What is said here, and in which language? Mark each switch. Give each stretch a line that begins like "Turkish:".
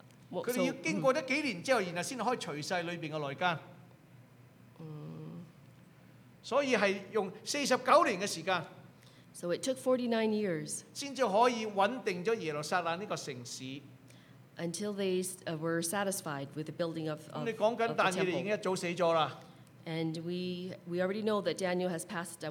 Cantonese: 佢哋要經過咗幾年之後，然後先可以除曬裏邊嘅內奸。所以係用49年嘅時間。
English: So it took 49 years.
Cantonese: 先至可以穩定咗耶路撒冷呢個城市。
English: Until they were satisfied with the building of the temple.
Cantonese: 你講緊但以利已經一早死咗啦。
English: And we already know that Daniel has passed away.